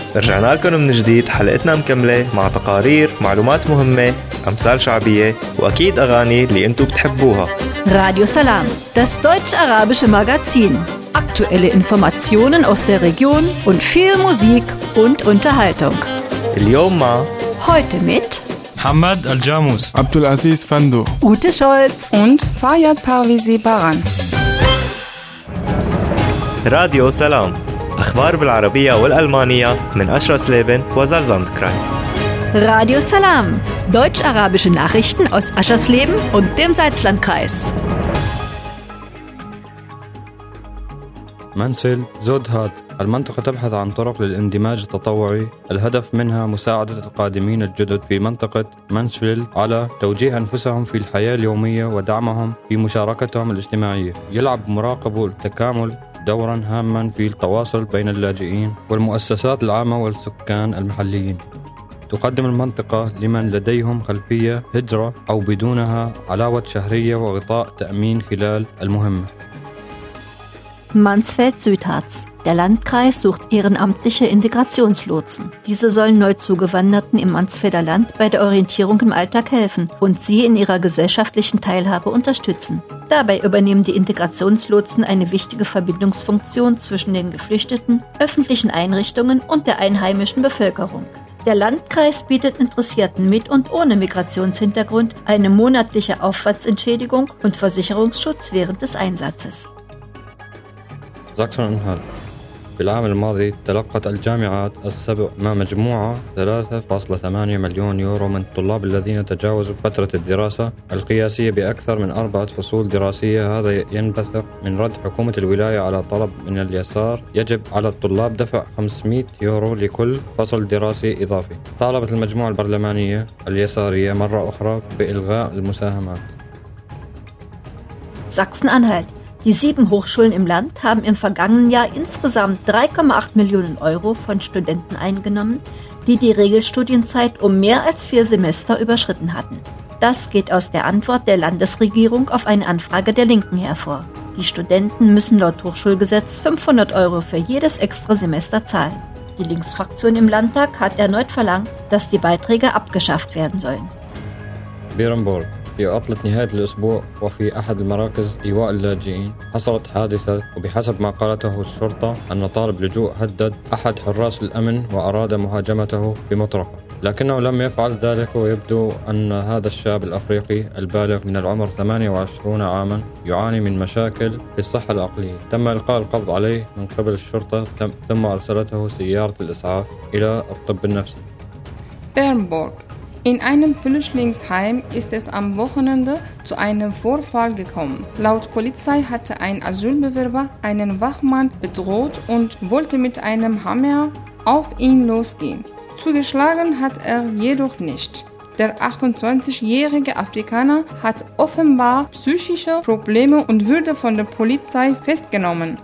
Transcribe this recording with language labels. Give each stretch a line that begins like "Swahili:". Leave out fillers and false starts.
Arabic: رجعنا لكم من جديد، حلقتنا مكملة مع تقارير، معلومات مهمة، أمثال شعبية وأكيد أغاني اللي أنتوا بتحبوها.
German: راديو سلام، das deutsche arabische Magazin. Aktuelle Informationen aus der Region und viel Musik und Unterhaltung.
Arabic: اليوم مع
German: heute mit
Arabic: محمد الجاموس، عبد العزيز فندو، اوتي شولتز und فاياد بارفيزي باران. راديو سلام، اخبار بالعربيه والالمانيه من اشرس ليفن وزلزاند كرايس.
German: راديو سلام، deutsch arabische Nachrichten aus Aschersleben und dem Salzlandkreis.
Arabic: منسل زود هات، المنطقة تبحث عن طرق للاندماج التطوعي، الهدف منها مساعدة القادمين الجدد في منطقة منسفيلد على توجيه أنفسهم في الحياة اليومية ودعمهم في مشاركتهم الاجتماعية. يلعب مراقب التكامل دورا هاما في التواصل بين اللاجئين والمؤسسات العامة والسكان المحليين. تقدم المنطقة لمن لديهم خلفية هجرة أو بدونها علاوة شهرية وغطاء تأمين خلال المهمة.
German: Mansfeld-Südharz. Der Landkreis sucht ehrenamtliche Integrationslotsen. Diese sollen Neuzugewanderten im Mansfelder Land bei der Orientierung im Alltag helfen und sie in ihrer gesellschaftlichen Teilhabe unterstützen. Dabei übernehmen die Integrationslotsen eine wichtige Verbindungsfunktion zwischen den Geflüchteten, öffentlichen Einrichtungen und der einheimischen Bevölkerung. Der Landkreis bietet Interessierten mit und ohne Migrationshintergrund eine monatliche Aufwandsentschädigung und Versicherungsschutz während des Einsatzes. Sachsen-Anhalt.
Arabic: في العام الماضي تلقت الجامعات السبع ما مجموعة 3.8 مليون يورو من الطلاب الذين تجاوزوا فترة الدراسة القياسية بأكثر من 4 فصول دراسية. هذا ينبثق من رد حكومة الولاية على طلب من اليسار يجب على الطلاب دفع 500 يورو لكل فصل دراسي إضافي. طالبت المجموعة البرلمانية اليسارية مرة أخرى بإلغاء المساهمات.
German: Sachsen-Anhalt. Die 7 Hochschulen im Land haben im vergangenen Jahr insgesamt 3,8 Millionen Euro von Studenten eingenommen, die die Regelstudienzeit um mehr als 4 Semester überschritten hatten. Das geht aus der Antwort der Landesregierung auf eine Anfrage der Linken hervor. Die Studenten müssen laut Hochschulgesetz 500 Euro für jedes Extrasemester zahlen. Die Linksfraktion im Landtag hat erneut verlangt, dass die Beiträge abgeschafft werden sollen. Bärenburg.
Arabic: في عطلة نهاية الأسبوع وفي أحد المراكز إيواء اللاجئين حصلت حادثة، وبحسب ما قالته الشرطة أن طالب لجوء هدد أحد حراس الأمن وأراد مهاجمته بمطرقة، لكنه لم يفعل ذلك. ويبدو أن هذا الشاب الأفريقي البالغ من العمر 28 عاما يعاني من مشاكل في الصحة العقلية. تم إلقاء القبض عليه من قبل الشرطة، ثم أرسلته سيارة الإسعاف إلى الطب النفسي. بيرنبورغ.
German: In einem Flüchtlingsheim ist es am Wochenende zu einem Vorfall gekommen. Laut Polizei hatte ein Asylbewerber einen Wachmann bedroht und wollte mit einem Hammer auf ihn losgehen. Zugeschlagen hat er jedoch nicht. Der 28-jährige Afrikaner hat offenbar psychische Probleme und wurde von der Polizei festgenommen.